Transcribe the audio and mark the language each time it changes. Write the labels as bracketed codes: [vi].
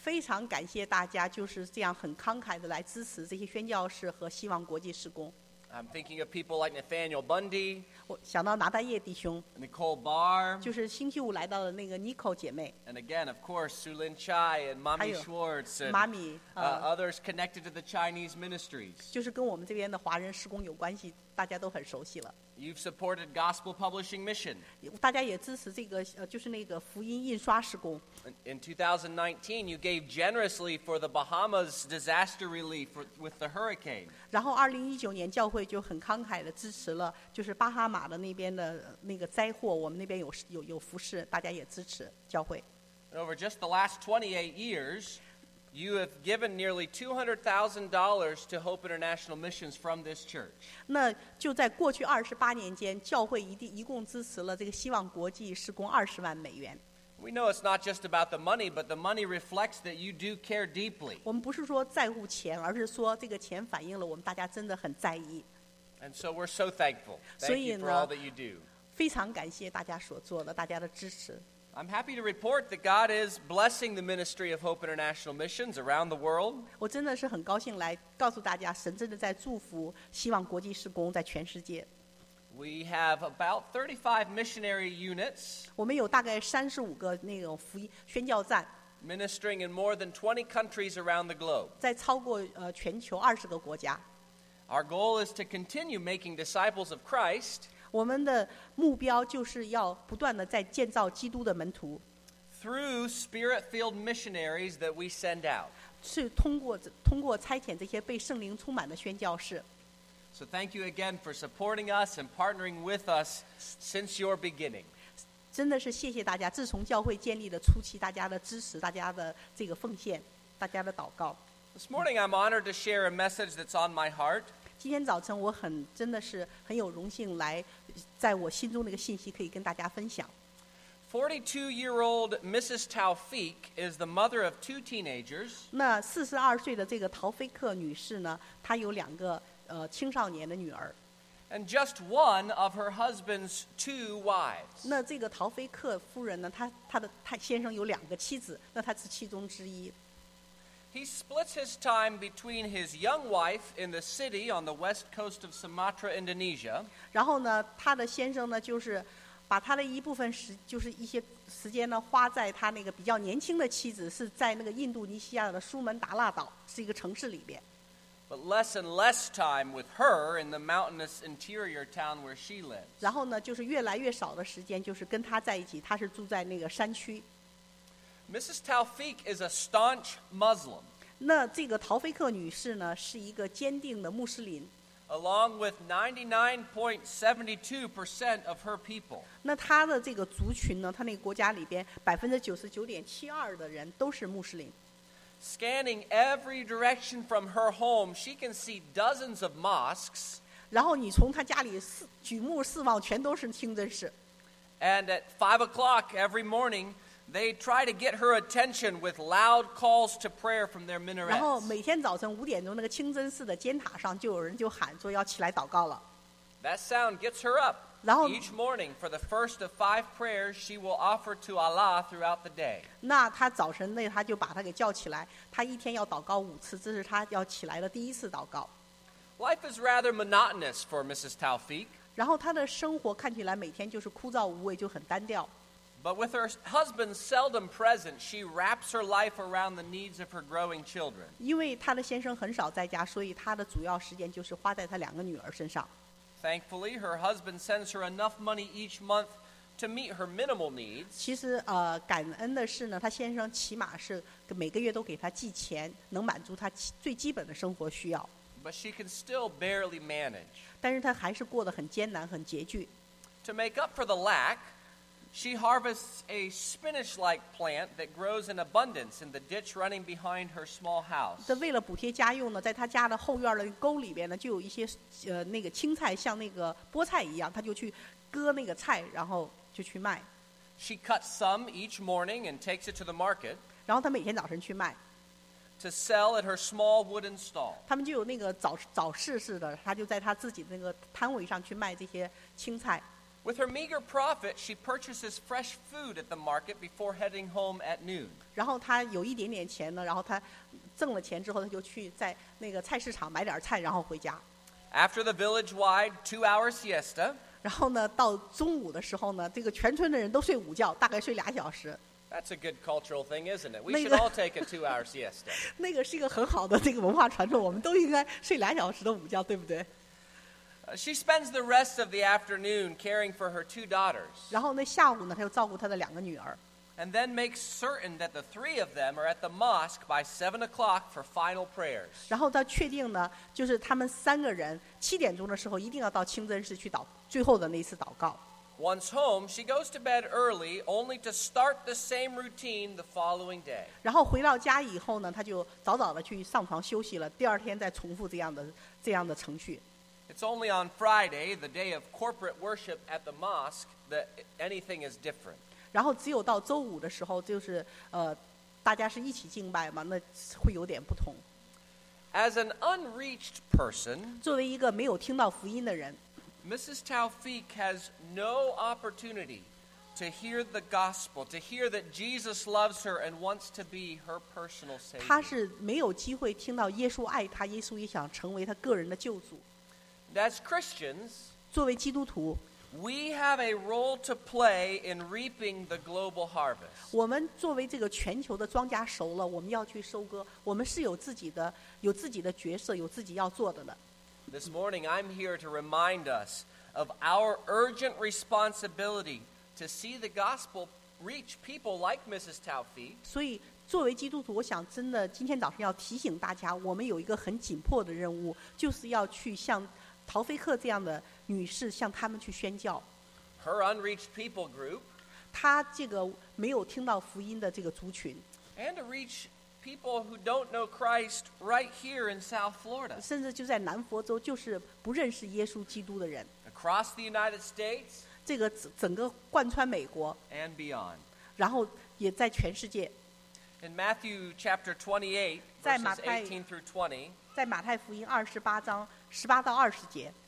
[zh] 非常感谢大家就是这样很慷慨的来支持这些宣教士和希望国际事工。 [en] I'm thinking of people like Nathaniel Bundy. [zh] 我想到拿大业弟兄。 [en] Nicole Barr. [zh] 就是星期五来到的那个 Nicole 姐妹。 [en] And again, of course, Su Lin Chai and Mommy Schwartz and Mommy, others connected to the Chinese ministries. [zh] 就是跟我们这边的华人施工有关系，大家都很熟悉了。 [en] You've supported gospel publishing mission. [zh] 大家也支持这个就是那个福音印刷施工。 [en] In 2019, you gave generously for the Bahamas disaster relief with the hurricane. [zh] 然后2019年教会就很慷慨的支持了，就是巴哈马的那边的那个灾祸，我们那边有服事，大家也支持教会。 [en] And over just the last 28 years. You have given nearly $200,000 to Hope International Missions from this church. [zh] 那就在过去二十八年间，教会一共支持了这个希望国际施工$200,000。 [en] We know it's not just about the money, but the money reflects that you do care deeply. [zh] 我们不是说在乎钱，而是说这个钱反映了我们大家真的很在意。 [en] And so we're so thankful. Thank you for all that you do. [zh] 非常感谢大家所做的，大家的支持。 [en] I'm happy to report that God is blessing the ministry of Hope International Missions around the world. [zh] 我真的是很高兴来告诉大家，神真的在祝福希望国际事工在全世界。 [en] We have about 35 missionary units. [zh] 我们有大概35个那种福音宣教站。 [en] Ministering in more than 20 countries around the globe. [zh] 在超过全球20个国家。 [en] Our goal is to continue making disciples of Christ. [zh] 我们的目标就是要不断地在建造基督的门徒。 [en] Through spirit-filled missionaries that we send out. [zh] 是通过差遣这些被圣灵充满的宣教士。 [en] So thank you again for supporting us and partnering with us since your beginning. [zh] 真的是谢谢大家，自从教会建立的初期，大家的支持，大家的这个奉献，大家的祷告。 [en] This morning I'm honored to share a message that's on my heart. [zh] 今天早晨我真的是很有荣幸来在我心中那个信息可以跟大家分享。 [en] 42-year-old Mrs. Taufik is the mother of two teenagers. [zh] 那42岁的这个陶菲克女士呢，她有两个青少年的女儿。 [en] And just one of her husband's two wives. [zh] 那这个陶菲克夫人呢，她先生有两个妻子，那她是其中之一。 [en] He splits his time between his young wife in the city on the west coast of Sumatra, Indonesia. [zh] 然后呢，他的先生呢，就是把他的一部分时，就是一些时间呢，花在他那个比较年轻的妻子，是在那个印度尼西亚的苏门答腊岛，是一个城市里边。 [en] But less and less time with her in the mountainous interior town where she lives. [zh] 然后呢，就是越来越少的时间，就是跟他在一起，他是住在那个山区。 [en] Mrs. Taufik is a staunch Muslim. [zh] 那这个陶菲克女士呢，是一个坚定的穆斯林。 [en] Along with 99.72% of her people. [zh] 那她的这个族群呢，她那个国家里边99.72%的人都是穆斯林。 [en] Scanning every direction from her home, she can see dozens of mosques. [zh] 然后你从她家里举目四望，全都是清真寺。 [en] And at 5 o'clock every morning. They try to get her attention with loud calls to prayer from their minarets. [zh] 然后每天早晨五点钟，那个清真寺的尖塔上就有人就喊说要起来祷告了。 [en] That sound gets her up. Each morning for the first of 5 prayers she will offer to Allah throughout the day. [zh] 那她早晨那她就把她给叫起来，她一天要祷告5次，这是她要起来的第一次祷告。 [en] Life is rather monotonous for Mrs. Taufik. [zh] 然后她的生活看起来每天就是枯燥无味，就很单调。 [en] But with her husband seldom present, she wraps her life around the needs of her growing children. [zh] 因为她的先生很少在家，所以她的主要时间就是花在她两个女儿身上。 [en] Thankfully, her husband sends her enough money each month to meet her minimal needs. [zh] 其实，感恩的是呢，她先生起码是每个月都给她寄钱，能满足她最基本的生活需要。 [en] But she can still barely manage. [zh] 但是她还是过得很艰难，很拮据。 [en] To make up for the lack,She harvests a spinach-like plant that grows in abundance in the ditch running behind her small house. [zh] 这为了补贴家用呢，在她家的后院的沟里边呢，就有一些那个青菜，像那个菠菜一样，她就去割那个菜，然后就去卖。 [en] She cuts some each morning and takes it to the market. [zh] 然后她每天早晨去卖。 [en] To sell at her small wooden stall. [zh] 他们就有那个早市似的，她就在她自己的那个摊位上去卖这些青菜。 [en] With her meager profit, she purchases fresh food at the market before heading home at noon. [zh] 然后她有一点点钱呢，然后她挣了钱之后，她就去在那个菜市场买点菜，然后回家。 [en] After the village-wide 2-hour siesta, [zh] 然后呢，到中午的时候呢，这个全村的人都睡午觉，大概睡俩小时。 [en] That's a good cultural thing, isn't it? We should all take a 2-hour siesta. [zh] 那个是一个很好的这个文化传统，我们都应该睡俩小时的午觉，对不对？ [en] She spends the rest of the afternoon caring for her two daughters. [zh] 然后呢，下午呢，她又照顾她的两个女儿。 [en] And then makes certain that the three of them are at the mosque by 7 o'clock for final prayers. [zh] 然后她确定呢，就是他们三个人七点钟的时候一定要到清真寺去祷最后的那一次祷告。 [en] Once home, she goes to bed early, only to start the same routine the following day. [zh] 然后回到家以后呢，她就早早的去上床休息了，第二天再重复这样的程序。 [en] It's only on Friday, the day of corporate worship at the mosque, that anything is different. [zh] 然后只有到周五的时候，就是大家是一起敬拜嘛，那会有点不同。 [en] As an unreached person, [zh] 作为一个没有听到福音的人。 [en] Mrs. Taufik has no opportunity to hear the gospel, to hear that Jesus loves her and wants to be her personal savior. [zh] 她是没有机会听到耶稣爱她，耶稣也想成为她个人的救主。 [en] As Christians, [zh] 作为基督徒， [en] we have a role to play in reaping the global harvest. [zh] 我们作为这个全球的庄稼熟了，我们要去收割。我们是有自己的角色，有自己要做的呢。 [en] This morning, I'm here to remind us of our urgent responsibility to see the gospel reach people like Mrs. Taufik. [zh] 所以，作为基督徒，我想真的今天早上要提醒大家，我们有一个很紧迫的任务，就是要去向陶菲克这样的女士，向他们去宣教。 [en] Her unreached people group. [zh] 她这个没有听到福音的这个族群。 [en] And to reach. People who don't know Christ right here in South Florida. [zh] 甚至就在南佛州，就是不认识耶稣基督的人。 [en] Across the United States. [zh] 这个整个贯穿美国。 [en] And beyond. [zh] 然后也在全世界。 [en] In Matthew chapter 28, verses 18 through 20. [zh] 在马太福音二十八章十八到二十节。